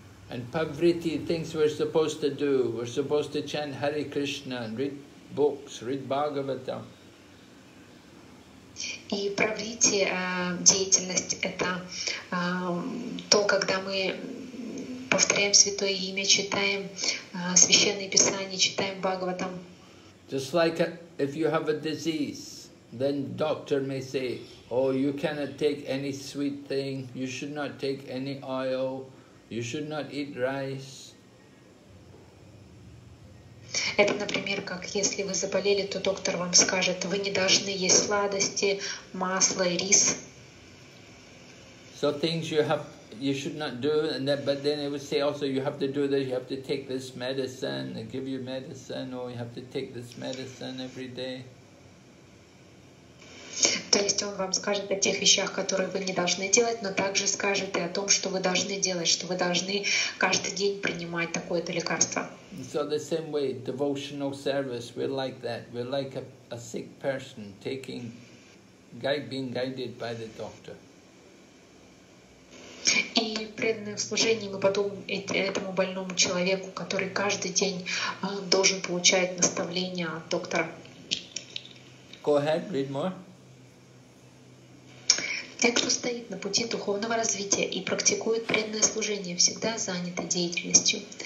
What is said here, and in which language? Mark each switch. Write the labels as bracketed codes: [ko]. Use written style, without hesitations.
[en] And pavritti, things we're supposed to do, we're supposed to chant Hare Krishna and read books, read Bhagavatam. [ru] И правритти деятельность — это то, когда мы повторяем Святое Имя, читаем Священные Писания, читаем Бхагаватам. [en] Just like if you have a disease, then doctor may say, oh, you cannot take any sweet thing, you should not take any oil, you should not eat rice. [ru] Это, например, как если вы заболели, то доктор вам скажет, вы не должны есть сладости, масло и рис. [en] So things you have, you should not do, and then, but then it would say also you have to do this, you have to take this medicine, they give you medicine, or you have to take this medicine every day. [ru] То есть он вам скажет о тех вещах, которые вы не должны делать, но также скажет и о том, что вы должны делать, что вы должны каждый день принимать такое-то лекарство. [en] So the same way, devotional service, we're like that. We're like a sick person taking, being guided by the doctor. [ru] И преданное служение мы подобны этому больному человеку, который каждый день должен получать наставления от доктора. [en] Go ahead, read more. [ru] Те, кто стоит на пути духовного развития и практикует преданное служение, всегда заняты деятельностью.